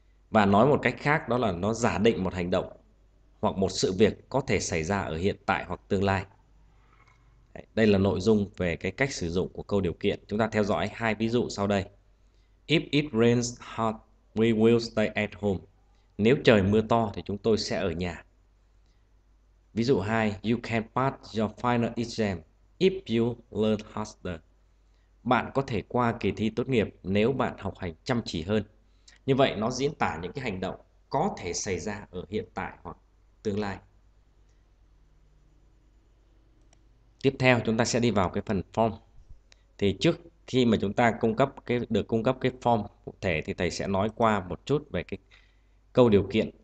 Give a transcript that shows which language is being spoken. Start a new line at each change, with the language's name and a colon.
Vietnamese: Và nói một cách khác, đó là nó giả định một hành động hoặc một sự việc có thể xảy ra ở hiện tại hoặc tương lai. Đây là nội dung về cái cách sử dụng của câu điều kiện. Chúng ta theo dõi hai ví dụ sau đây.
English: If it rains hard, we will stay at home.
Vietnamese: Nếu trời mưa to thì chúng tôi sẽ ở nhà. Ví dụ 2.
English: You can pass your final exam if you learn harder.
Vietnamese: Bạn có thể qua kỳ thi tốt nghiệp nếu bạn học hành chăm chỉ hơn. Như vậy nó diễn tả những cái hành động có thể xảy ra ở hiện tại hoặc tương lai. Tiếp theo chúng ta sẽ đi vào cái phần form. Thì trước khi mà chúng ta được cung cấp cái form cụ thể thì thầy sẽ nói qua một chút về cái câu điều kiện.